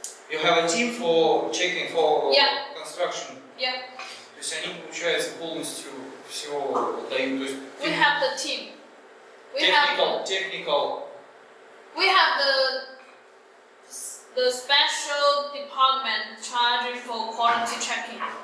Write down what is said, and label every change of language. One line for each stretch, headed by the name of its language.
English: You have a team for checking for construction? Yeah.
Russian: То есть они, получается, полностью всё дают?
English: We have the team. Technical. We have the special department charging for quality checking.